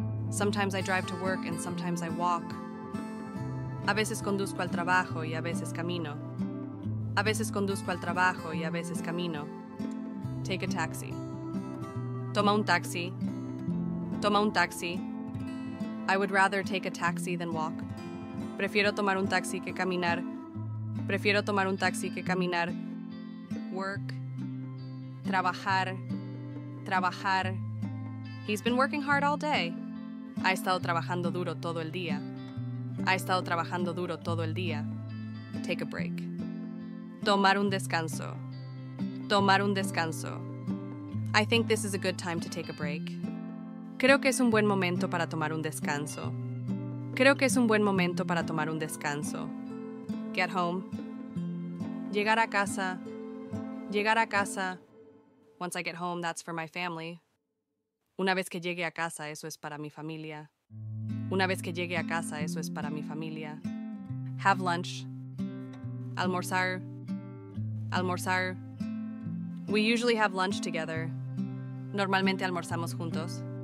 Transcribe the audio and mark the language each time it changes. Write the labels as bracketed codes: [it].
[en] Sometimes I drive to work and sometimes I walk. [es] A veces conduzco al trabajo y a veces camino. A veces conduzco al trabajo y a veces camino. [en] Take a taxi. [es] Toma un taxi. Toma un taxi. [en] I would rather take a taxi than walk. [es] Prefiero tomar un taxi que caminar. Prefiero tomar un taxi que caminar. Work. Trabajar. Trabajar. [en] He's been working hard all day. [es] Ha estado trabajando duro todo el día. Ha estado trabajando duro todo el día. [en] Take a break. [es] Tomar un descanso. Tomar un descanso. [en] I think this is a good time to take a break. [es] Creo que es un buen momento para tomar un descanso. Creo que es un buen momento para tomar un descanso. [en] Get home. [es] Llegar a casa. Llegar a casa. [en] Once I get home, that's for my family. [es] Una vez que llegue a casa, eso es para mi familia. Una vez que llegue a casa, eso es para mi familia. [en] Have lunch. [es] Almorzar. Almorzar. [en] We usually have lunch together. [es] Normalmente almorzamos juntos.